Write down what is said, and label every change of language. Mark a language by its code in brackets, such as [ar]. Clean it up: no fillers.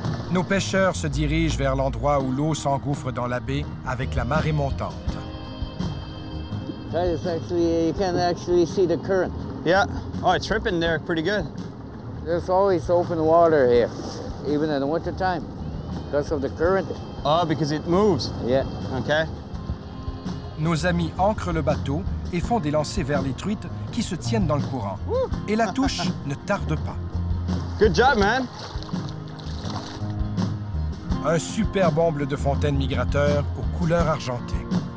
[fr] Nos pêcheurs se dirigent vers l'endroit où l'eau s'engouffre dans la baie avec la marée montante. [en] That is actually, you can actually see the current. Yeah. Oh, it's ripping there pretty good. There's always open water here, even in the winter time, because of the current. Oh, because it moves. Yeah. Okay. [fr] Nos amis ancrent le bateau et font des lancers vers les truites qui se tiennent dans le courant. Et la touche ne tarde pas. [en] Good job, man. [fr] Un superbe omble de fontaine migrateur aux couleurs argentées.